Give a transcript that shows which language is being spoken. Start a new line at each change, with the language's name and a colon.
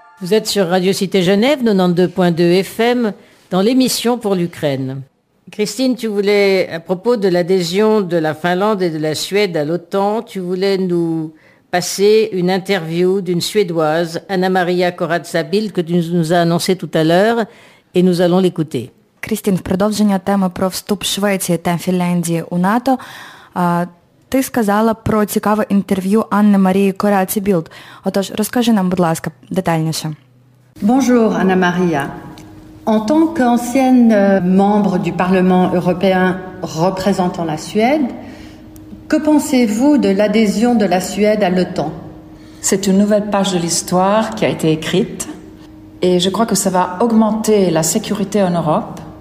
French: êtes sur Radio Cité Genève, 92.2 FM, dans l'émission pour l'Ukraine. Christine, tu voulais, à propos de l'adhésion de la Finlande et de la Suède à l'OTAN, tu voulais nous passer une interview d'une Suédoise, Anna-Maria Corazza-Bild, que tu nous as annoncé tout à l'heure, et nous allons l'écouter.
Ukrainian: Christine, в продовження теми про вступ Швеції та Фінляндії у НАТО, ти сказала про цікаве інтерв'ю Анни Марії Корацебілд. Отож, розкажи нам, будь ласка, детальніше.
French: Bonjour, Anna-Maria. En tant qu'ancienne membre du Parlement européen représentant la Suède, que pensez-vous de l'adhésion de la Suède à l'OTAN? C'est une nouvelle page de l'histoire qui a été écrite et je crois que ça va augmenter la sécurité en Europe.